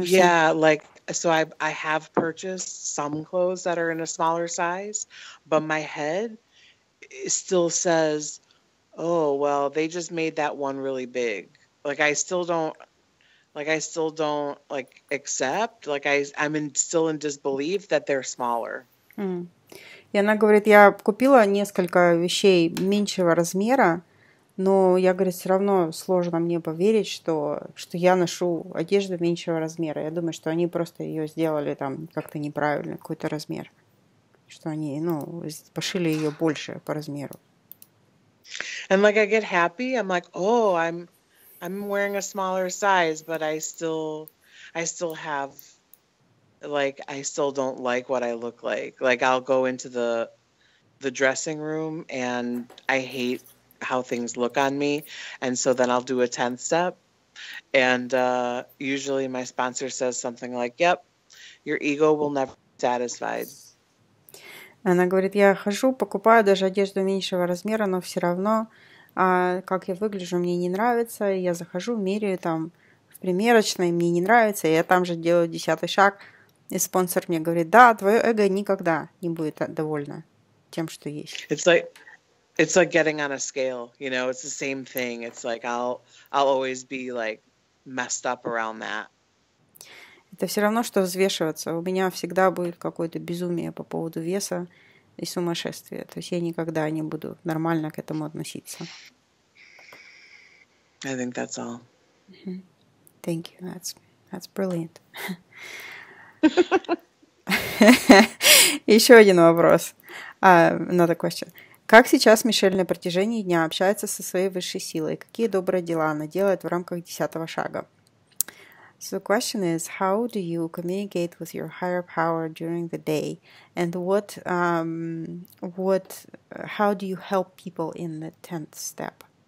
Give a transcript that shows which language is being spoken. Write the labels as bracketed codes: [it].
[en] Yeah, like, so I have purchased some clothes that are in a smaller size, but my head still says, oh, well, they just made that one really big. Like, I still don't accept. Like, I'm still in disbelief that they're smaller. Mm. [ru] И она говорит, я купила несколько вещей меньшего размера, но я, говорит, все равно сложно мне поверить, что я ношу одежду меньшего размера. Я думаю, что они просто ее сделали там как-то неправильно, какой-то размер. Что они, ну, пошили ее больше по размеру. [en] And like I get happy, I'm like, oh, I'm wearing a smaller size, but I still have, like, I still don't like what I look like. Like I'll go into the dressing room and I hate how things look on me. And so then I'll do a 10th step. And usually my sponsor says something like, yep, your ego will never be satisfied. [ru] Она говорит, я хожу, покупаю даже одежду меньшего размера, но все равно, как я выгляжу, мне не нравится. Я захожу, меряю там в примерочной, мне не нравится. Я там же делаю 10-й шаг. И спонсор мне говорит, да, твое эго никогда не будет довольна тем, что есть. [en] It's like getting on a scale, you know, it's the same thing. It's like I'll always be like messed up around that. [ru] Это все равно, что взвешиваться. У меня всегда будет какое-то безумие по поводу веса и сумасшествия. То есть я никогда не буду нормально к этому относиться. [en] I think that's all. Mm-hmm. Thank you. That's brilliant. [ru] Еще один вопрос. [en] Another question. [ru] Как сейчас Мишель на протяжении дня общается со своей высшей силой? Какие добрые дела она делает в рамках 10-го шага? [en] So the question is, how do you communicate with your higher power during the day? And how do you help people in the 10th step?